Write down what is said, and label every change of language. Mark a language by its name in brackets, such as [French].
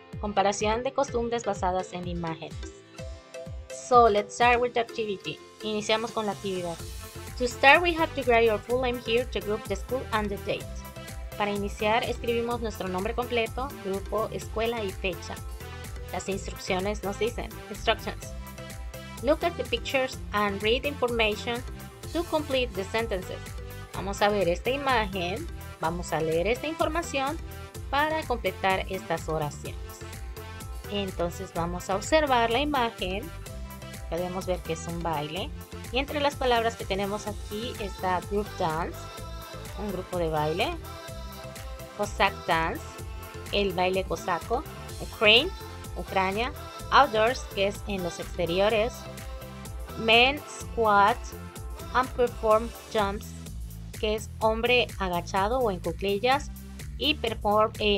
[Spanish] Comparación de costumbres basadas en imágenes. [English] So, let's start with the activity. [Spanish] Iniciamos con la actividad. [English] To start, we have to write our full name here, the group, the school, and the date. [Spanish] Para iniciar, escribimos nuestro nombre completo, grupo, escuela y fecha. Las instrucciones nos dicen, instructions. [English] Look at the pictures and read information to complete the sentences. [Spanish] Vamos a ver esta imagen, vamos a leer esta información para completar estas oraciones. Entonces vamos a observar la imagen, podemos ver que es un baile. Y entre las palabras que tenemos aquí está [English] group dance, [Spanish] un grupo de baile, [English] cossack dance, [Spanish] el baile cosaco, Ukraine, Ucrania, outdoors, que es en los exteriores, [English] men squat, and perform jumps, [Spanish] que es hombre agachado o en cuclillas, y perform,